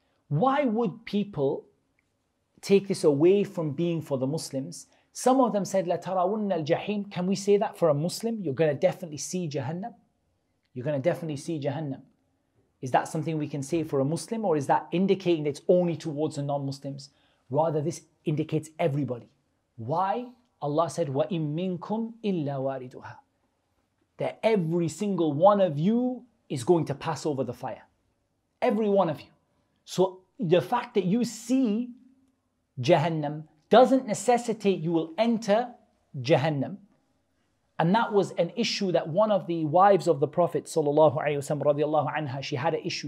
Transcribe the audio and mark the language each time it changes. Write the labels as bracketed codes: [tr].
[en] Why would people take this away from being for the Muslims? Some of them said, [ar] لَتَرَوُنَّ الْجَحِيمِ. [en] Can we say that for a Muslim? You're going to definitely see Jahannam. You're going to definitely see Jahannam. Is that something we can say for a Muslim? Or is that indicating it's only towards the non-Muslims? Rather, this indicates everybody. Why? Allah said, [ar] وَإِن مِّنْكُمْ إِلَّا وَارِدُهَا. [en] That every single one of you is going to pass over the fire. Every one of you. So the fact that you see Jahannam doesn't necessitate you will enter Jahannam. And that was an issue that one of the wives of the Prophet sallallahu alaihi wasallam radiallahu anha, she had an issue.